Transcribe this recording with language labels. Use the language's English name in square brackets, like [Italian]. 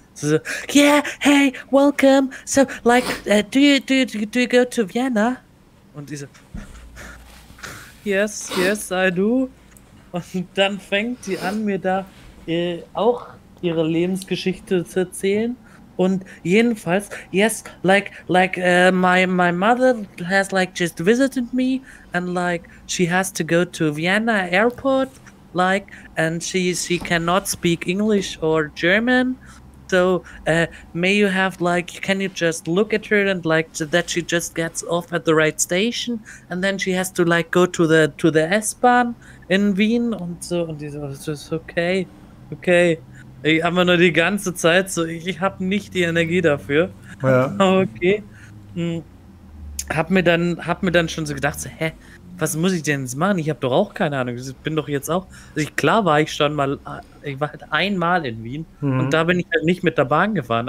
[English] So, yeah, hey, welcome. So, like, do you go to Vienna? [German] Und sie so, [English] yes, yes, I do. [German] Und dann fängt sie an, mir da auch ihre Lebensgeschichte zu erzählen. Und jedenfalls, [English] yes, like my mother has like just visited me and like she has to go to Vienna Airport, like, and she cannot speak English or German. So may you have like, can you just look at her and like that she just gets off at the right station and then she has to like go to the S-Bahn in Wien [German] und so. Und die so, [English] just okay. [German] Ich habe nur die ganze Zeit so, ich habe nicht die Energie dafür. Ja. Okay. Hab mir dann schon so gedacht, so, hä, was muss ich denn jetzt machen? Ich habe doch auch keine Ahnung. Ich bin doch jetzt auch. Also ich war halt einmal in Wien und da bin ich halt nicht mit der Bahn gefahren.